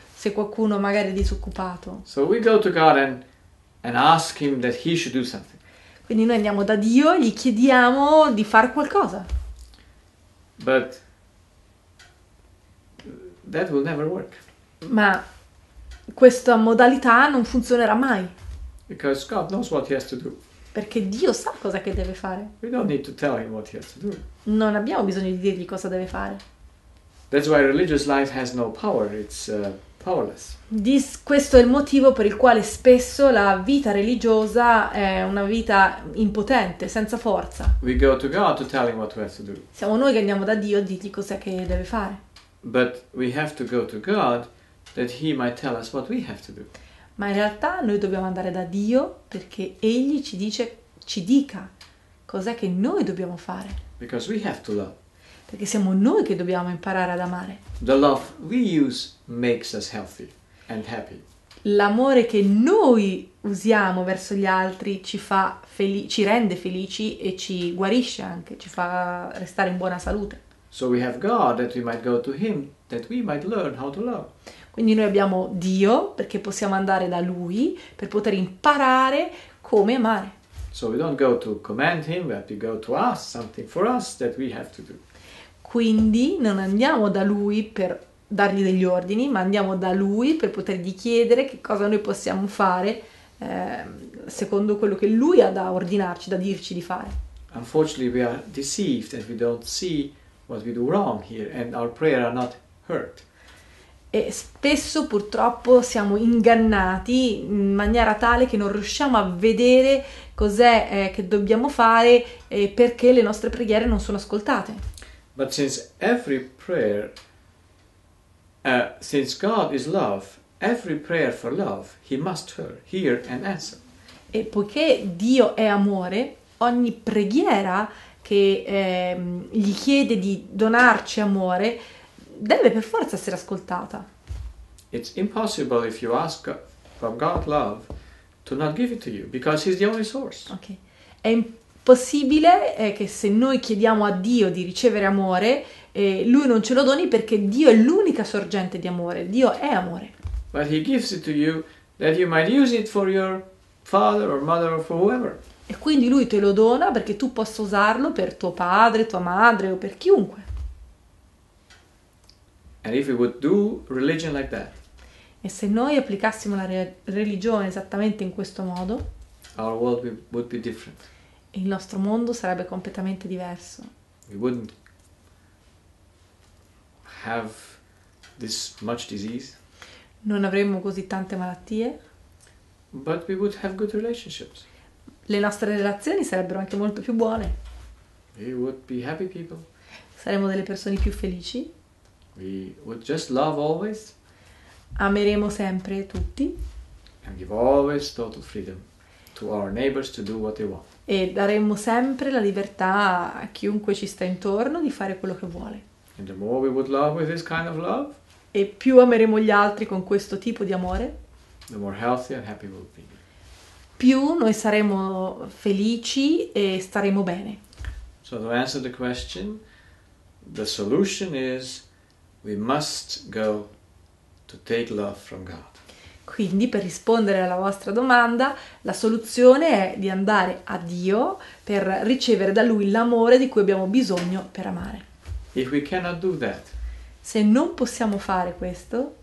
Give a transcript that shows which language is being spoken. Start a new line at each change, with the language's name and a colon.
Italian: Se qualcuno magari è disoccupato.
English: So we go to God and ask him that he should do something.
Italian: Quindi noi andiamo da Dio e gli chiediamo di far qualcosa.
English: But that will never work.
Italian: Ma questa modalità non funzionerà mai.
English: Because God knows what he has to do.
Italian: Perché Dio sa cosa che deve fare.
English: We don't need to tell him what he has to do.
Italian: Non abbiamo bisogno di dirgli cosa deve fare.
English: That's why religious life has no power. It's powerless.
Italian: Questo è il motivo per il quale spesso la vita religiosa è una vita impotente, senza forza.
English: We go to God to tell him what he has to do.
Italian: Siamo noi che andiamo da Dio a dirgli cos'è che deve fare.
English: But we have to go to God that he might tell us what we have to do.
Italian: Ma in realtà noi dobbiamo andare da Dio perché egli ci dica cos'è che noi dobbiamo fare.
English: Because we have to love.
Italian: Perché siamo noi che dobbiamo imparare ad amare.
English: The love we use makes us healthy and happy.
Italian: L'amore che noi usiamo verso gli altri ci rende felici e ci guarisce anche, ci fa restare in buona salute.
English: So we have God that we might go to him that we might learn how to love.
Italian: Quindi noi abbiamo Dio perché possiamo andare da lui per poter imparare come amare.
English: So we don't go to command him but we go to ask something for us that we have to do.
Italian: Quindi non andiamo da lui per dargli degli ordini, ma andiamo da lui per potergli chiedere che cosa noi possiamo fare secondo quello che lui ha da ordinarci, da dirci di fare.
English: Unfortunately, we are deceived and we don't see what we do wrong here and our prayer are not heard.
Italian: E spesso purtroppo siamo ingannati in maniera tale che non riusciamo a vedere cos'è che dobbiamo fare e perché le nostre preghiere non sono ascoltate.
English: But since every prayer, since God is love, every prayer for love, he must hear and answer.
Italian: E poiché Dio è amore, ogni preghiera che gli chiede di donarci amore deve per forza essere ascoltata.
English: It's impossible if you ask from God love to not give it to you, because he's the only source. Okay.
Italian: È possibile che se noi chiediamo a Dio di ricevere amore, lui non ce lo doni perché Dio è l'unica sorgente di amore. Dio è amore.
English: But he gives it to you that you might use it for your father or mother or for whoever.
Italian: E quindi lui te lo dona perché tu possa usarlo per tuo padre, tua madre o per chiunque.
English: And if we would do religion like that,
Italian: E se noi applicassimo la religione esattamente in questo modo,
English: our world would be different.
Italian: Il nostro mondo sarebbe completamente diverso.
English: We wouldn't have this much disease.
Italian: Non avremmo così tante malattie.
English: But we would have good relationships.
Italian: Le nostre relazioni sarebbero anche molto più buone.
English: We would be happy people.
Italian: Saremmo delle persone più felici.
English: We would just love always.
Italian: Ameremo sempre tutti.
English: And give always total freedom to our neighbors to do what they want.
Italian: E daremmo sempre la libertà a chiunque ci sta intorno di fare quello che vuole.
English: And the more we would love with this kind of love.
Italian: E più ameremo gli altri con questo tipo di amore.
English: The more healthy and happy we'll be.
Italian: Più noi saremo felici e staremo bene.
English: So to answer the question, the solution is we must go to take love from God.
Italian: Quindi, per rispondere alla vostra domanda, la soluzione è di andare a Dio per ricevere da Lui l'amore di cui abbiamo bisogno per amare.
English: If we cannot do that,
Italian: se non possiamo fare questo,